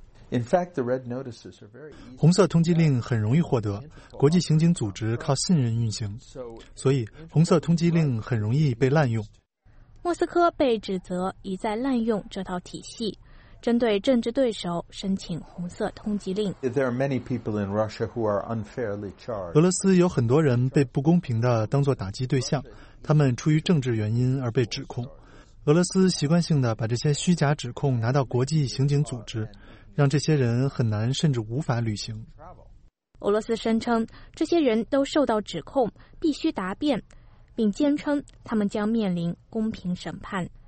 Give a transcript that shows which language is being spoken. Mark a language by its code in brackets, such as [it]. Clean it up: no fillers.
[en] In fact, the red notices are very [zh] 红色通缉令很容易获得，国际刑警组织靠信任运行，所以红色通缉令很容易被滥用。莫斯科被指责一再滥用这套体系，针对政治对手申请红色通缉令。 [en] There are many people in Russia who are unfairly charged. [zh] 俄罗斯有很多人被不公平地当作打击对象，他们出于政治原因而被指控。俄罗斯习惯性地把这些虚假指控拿到国际刑警组织，让这些人很难甚至无法旅行。俄罗斯声称这些人都受到指控，必须答辩，并坚称他们将面临公平审判。